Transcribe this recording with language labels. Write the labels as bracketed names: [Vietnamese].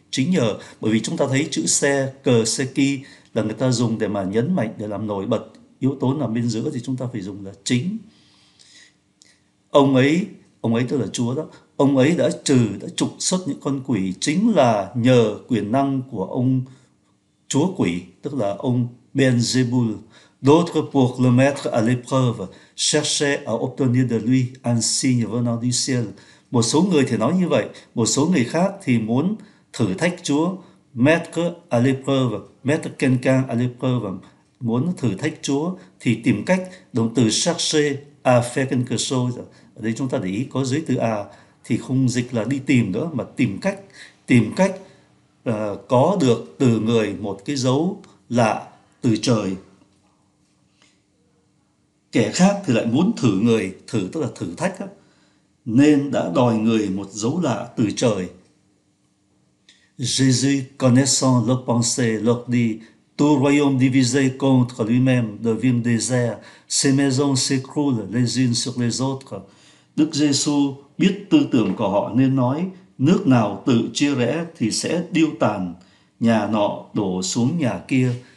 [Vietnamese] Chính nhờ, bởi vì chúng ta thấy chữ xe cờ xe ki là người ta dùng để mà nhấn mạnh để làm nổi bật yếu tố nằm bên giữa, thì chúng ta phải dùng là chính. Ông ấy tức là Chúa đó, ông ấy đã trục xuất những con quỷ chính là nhờ quyền năng của ông Chúa quỷ tức là ông Beelzebul. [French] D'autres pour le mettre à l'épreuve cherchaient à obtenir de lui un signe venant du ciel. [Vietnamese] Một số người thì nói như vậy, một số người khác thì muốn thử thách Chúa, [French] mettre à l'épreuve, mettre quelqu'un à l'épreuve, [Vietnamese] muốn thử thách Chúa thì tìm cách, động từ [French] chercher à faire quelque chose. [Vietnamese] Ở đây chúng ta để ý có dưới từ à thì không dịch là đi tìm nữa mà tìm cách có được từ người một cái dấu lạ từ trời. Kẻ khác thì lại muốn thử người, thử tức là thử thách đó, nên đã đòi người một dấu lạ từ trời. [French] Jésus, connaissant leurs pensées, leur dit: Tout royaume divisé contre lui-même devient désert, ses maisons s'écroulent les unes sur les autres. [Vietnamese] Đức Giêsu biết tư tưởng của họ nên nói: Nước nào tự chia rẽ thì sẽ điêu tàn, nhà nọ đổ xuống nhà kia.